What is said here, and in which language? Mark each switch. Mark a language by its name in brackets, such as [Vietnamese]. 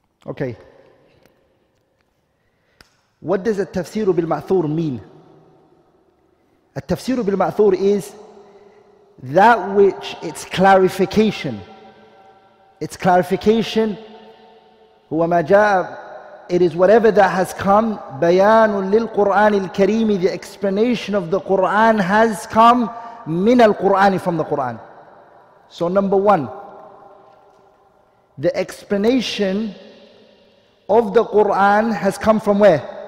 [English] Okay. What does [Arabic] التفسير بالمأثور [English] mean? التفسير بالمأثور is that which its clarification. Its clarification [Arabic] هو ما جاء. [English] It is whatever that has come. [Arabic] بيان للقرآن الكريم. [English] The explanation of the Quran has come [Arabic] من القرآن, [English] from the Quran. So number one, the explanation of the Qur'an has come from where?